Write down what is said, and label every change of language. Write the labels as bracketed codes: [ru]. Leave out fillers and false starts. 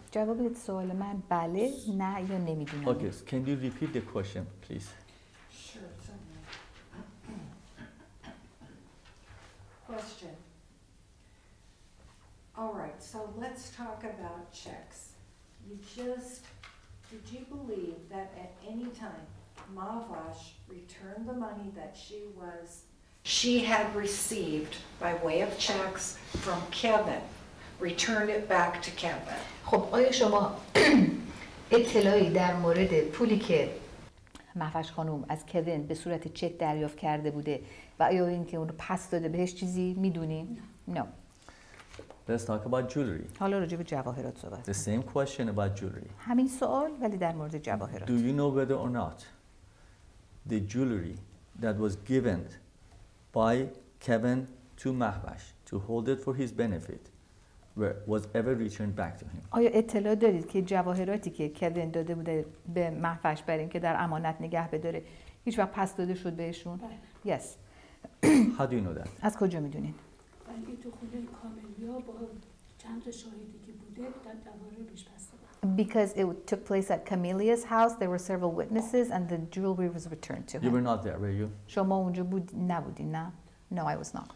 [fa] جواب این سوال من بله، نه یا نمیدونم. [en] Okay, so can you repeat the question, please? Sure. Question. All right, so let's talk about checks. Did you believe that at any time Mahvash returned the money that she had received by way of checks from Kevin, returned it back to Kevin. [fa] خب آیا شما اطلاعی در مورد پولی که مهوش خانم از کوین به صورت چک دریافت کرده بوده و آیا اینکه اون رو پس داده بهش چیزی میدونی؟ نه. [en] Let's talk about jewelry. [fa] حالا راجع به جواهرات صحبت. [en] The same question about jewelry. [fa] همین سوال ولی در مورد جواهرات. [en] Do you know whether or not the jewelry that was given by Kevin to Mahvash to hold it for his benefit was ever returned back to him? [fa] آیا اطلاع دارید که جواهراتی که کوین داده بوده به مهوش برای اینکه در امانت نگه بداره هیچ وقت پس داده شد بهشون؟ بله. [en] Yes. How do you know that? [fa] از کجا میدونید؟ بلکه تو خونه کاملیا با چند شاهدی که بوده در دواره بهش پس داده. [en] Because it took place at Camellia's house, there were several witnesses, and the jewelry was returned to him. You were not there, were you? [fa] شما اونجا بود نبودی نه؟ [en] No, I was not.